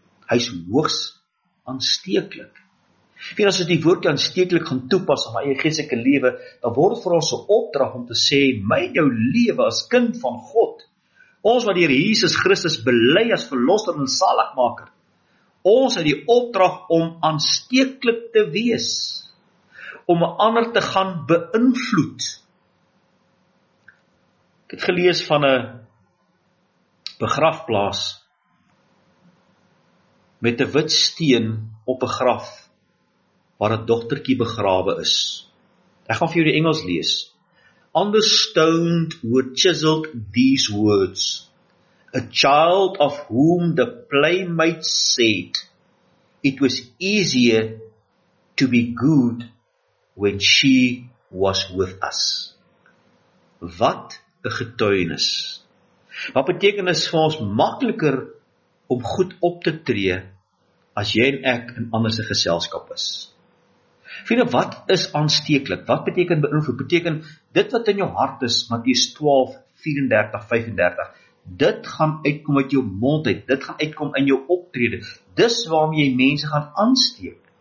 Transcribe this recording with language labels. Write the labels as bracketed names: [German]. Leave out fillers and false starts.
[Afrikaans] Hy is hoogs aansteeklik. En as ons die woordjie aansteeklik gaan toepas op my eie geestelike lewe, dan word vir ons 'n opdrag om te sê, my jou lewe as kind van God, ons wat deur Jesus Christus bely as verlosser en saligmaker, ons het die opdrag om aansteeklik te wees, om ander te gaan beïnvloed. Ek het gelees van 'n begrafplaas met 'n wit steen op 'n graf waar 'n dogtertjie begrawe is. Ek gaan vir jou die Engels lees. [English] On the stone were chiseled these words, a child of whom the playmate said, it was easier to be good when she was with us. [Afrikaans] Wat 'n getuienis. Wat beteken is vir ons makliker om goed op te tree as jy en ek in ander se geselskap is. Vriende, wat is aansteeklik? Wat beteken beïnvloed? Beteken dit wat in jou hart is, Matteus 12:34-35, dit gaan uitkom uit jou mond uit, dit gaan uitkom in jou optrede, dis waarmee jy mense gaan aansteek.